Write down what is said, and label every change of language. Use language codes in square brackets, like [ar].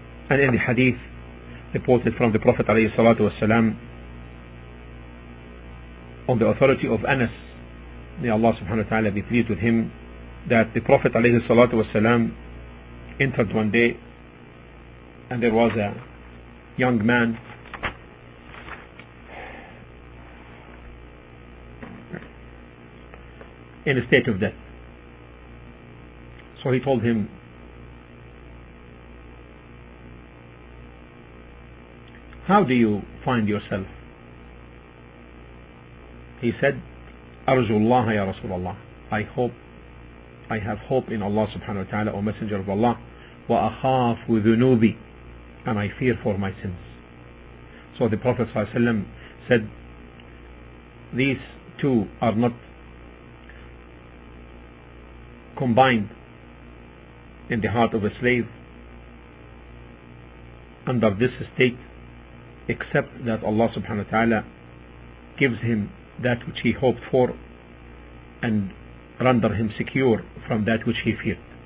[en] And in the hadith reported from the Prophet عليه الصلاة والسلام on the authority of Anas, may Allah subhanahu wa ta'ala be pleased with him, that the Prophet عليه الصلاة والسلام entered one day and there was a young man in a state of death. So he told him, how do you find yourself? He said, [ar] أرجو الله يا رسول الله. [en] I hope, I have hope in Allah subhanahu wa ta'ala, O Messenger of Allah. [ar] وأخاف ذنوبي. [en] And I fear for my sins. So the Prophet صلى الله عليه وسلم said, these two are not combined in the heart of a slave under this state, except that Allah subhanahu wa ta'ala gives him that which he hoped for and render him secure from that which he feared.